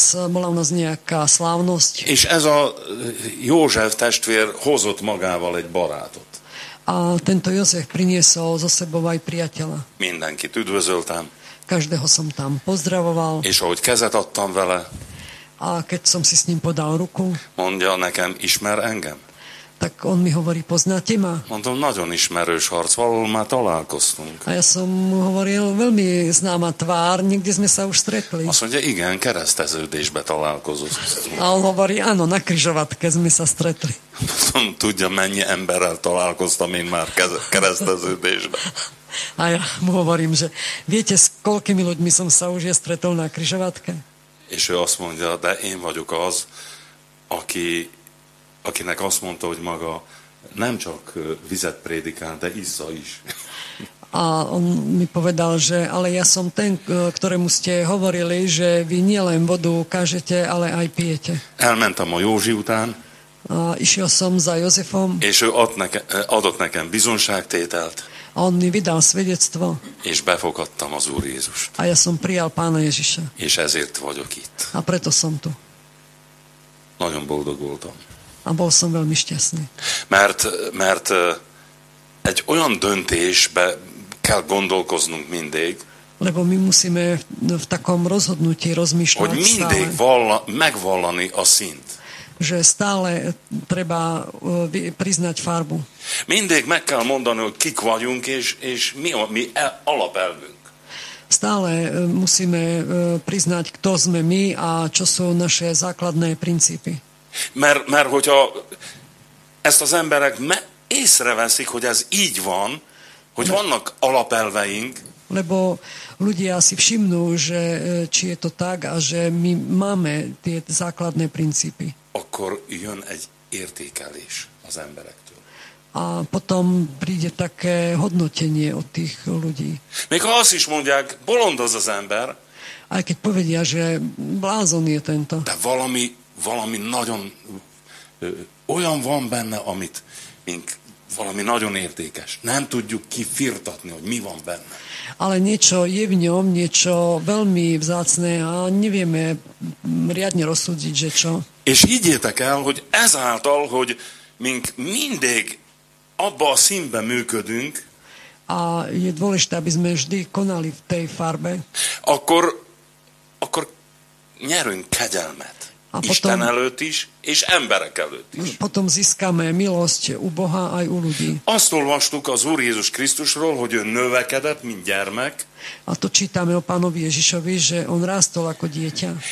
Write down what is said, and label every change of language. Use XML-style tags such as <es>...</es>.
<sk>Bola u nás nejaká slávnosť.</sk> <hu>És ez a József testvér hozott magával egy barátot.</hu> <sk>A tento József priniesol zo sebou aj priateľa.</sk> <hu>Mindenkit üdvözöltem.</hu> <sk>Každého som tam pozdravoval.</sk> <hu>És ahogy kezet adtam vele.</hu> <sk>A keď som si s ním podal ruku.</sk> <hu>Mondja nekem, ismer engem?</hu> <sk>Tak on mi hovorí, poznáte ma?</sk> <hu>Mondom, nagyon ismerős harc, valahol már találkoztunk.</hu> <sk>A ja som mu hovoril, veľmi známa tvár, niekde sme sa už stretli.</sk> <hu>Azt mondja, igen, kereszteződésbe találkozunk.</hu> <sk>A on hovorí, áno, na križovatke sme sa stretli.</sk> <hu>Mondom, tudja, mennyi emberrel találkoztam én már kereszteződésbe.</hu> <sk>A ja mu hovorím, že viete, s koľkými ľuďmi som sa už je stretol na križovatke?</sk> <hu>És ő azt mondja, de én vagyok az, akinek azt mondta, hogy maga nem csak vizet prédikál, de izza is.</hu> <sk>A on mi povedal, že ale ja som ten, ktorému ste hovorili, že vy nielen vodu kážete, ale aj pijete.</sk> <hu>Elmentem a Józsi után.</hu> <sk>A išiel som za Józsefom.</sk> <hu>És ő adott nekem bizonságtételt.</hu> <sk>A on mi vydal svedectvo.</sk> <hu>És befogadtam az Úr Jézust.</hu> <sk>A ja som prijal Pána Ježiša.</sk> <hu>És ezért vagyok itt.</hu> <sk>A preto som tu.</sk> <hu>Nagyon boldog voltam.</hu> <sk>A bol som veľmi šťastný.</sk> <hu>Mert egy olyan döntésbe kell gondolkoznunk mindig.</hu> <sk>Lebo my musíme v takom rozhodnutí rozmýšľať</sk> <hu>hogy mindig</hu> <sk>stále.</sk> <hu>Megvallani a színt.</hu> <sk>Že stále treba priznať farbu.</sk> <hu>Mindig meg kell mondani, hogy kik vagyunk, és mi alapelvünk.</hu> <sk>Stále musíme priznať, kto sme my a čo sú naše základné princípy.</sk> <hu>Mert hogyha ezt az emberek észreveszik, hogy ez így van, hogy vannak alapelveink.</hu> <sk>Lebo ľudia si všimnú, že či je to tak, a že my máme tie základné princípy.</sk> <hu>Akkor jön egy értékelés az emberektől.</hu> <sk>A potom príde také hodnotenie od tých ľudí.</sk> <hu>Még ha azt is mondják, bolond az az ember.</hu> <sk>Aj keď povedia, že blázon je tento.</sk> <hu>De valami nagyon olyan van benne, amit mink valami nagyon értékes. Nem tudjuk kifirtatni, hogy mi van benne.</hu> <sk>Ale niečo je v ňom, niečo veľmi vzácne a nevieme riadne rozsúdiť, že čo.</sk> <hu>És higgyétek el, hogy ezáltal, hogy mink mindig abba a színbe működünk,</hu> <sk>a je dôležité, aby sme vždy konali v tej farbe,</sk> <hu>akkor nyerünk kegyelmet.</hu> <sk>A potom,</sk> <hu>Isten előtt is, és emberek előtt is.</hu> <sk>Potom získame milosť u Boha aj u ľudí.</sk> <hu>Azt olvastuk az Úr Jézus Krisztusról, hogy ő növekedett, mint gyermek.</hu> <sk>A to čítame o Pánovi Ježišovi, že on rástol ako dieťa.</sk>